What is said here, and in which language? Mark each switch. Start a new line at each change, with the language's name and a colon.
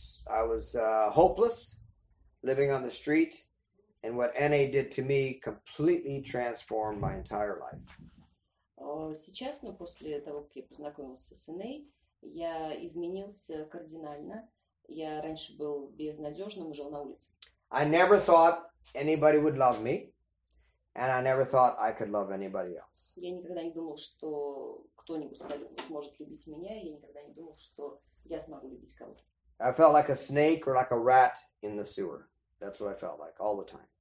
English: I was hopeless, living on the street, and what NA did to me completely transformed my entire life.
Russian: Сейчас, но после того, как я познакомился с NA, я изменился кардинально. Я раньше был безнадежным, жил на улице.
English: I never thought anybody would love me, and I never thought I could love anybody else.
Russian: Я никогда не думал, что кто-нибудь сможет любить меня, и я никогда не думал, что я смогу любить кого-то.
English: I felt like a snake or like a rat in the sewer. That's what I felt like all the time.